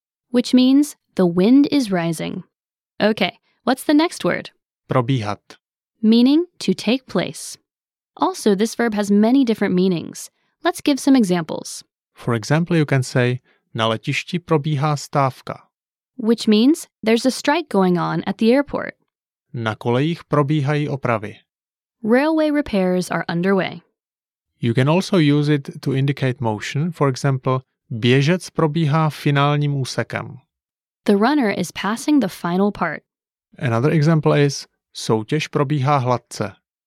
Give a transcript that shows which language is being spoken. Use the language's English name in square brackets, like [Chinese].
[English] which means the wind is rising. Okay, what's the next word? [Czech] Probíhat, [English] meaning to take place. Also, this verb has many different meanings. Let's give some examples. For example, you can say [Czech] na letišti probíhá stávka, [English] which means there's a strike going on at the airport. [Czech] Na kolejích probíhají opravy. [English] Railway repairs are underway. You can also use it to indicate motion. For example, [Czech] běžec probíhá finálním úsekem. [English] The runner is passing the final part. Another example is [Czech] soutěž probíhá hladce,